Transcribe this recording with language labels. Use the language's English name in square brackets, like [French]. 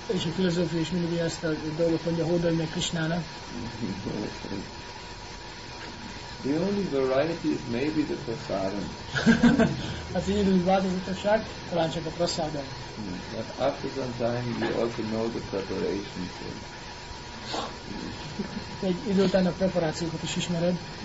[Hungarian] És a filozófia is mindig ezt a dolgot mondja, hódolj meg Krishnának. [English] The only variety is maybe the prasadam. [Hungarian] Az egyedül változatosság, talán csak a prasadam. [English] But after some time you also know the preparation. So. [Hungarian] Egy idő után a preparációkat is ismered.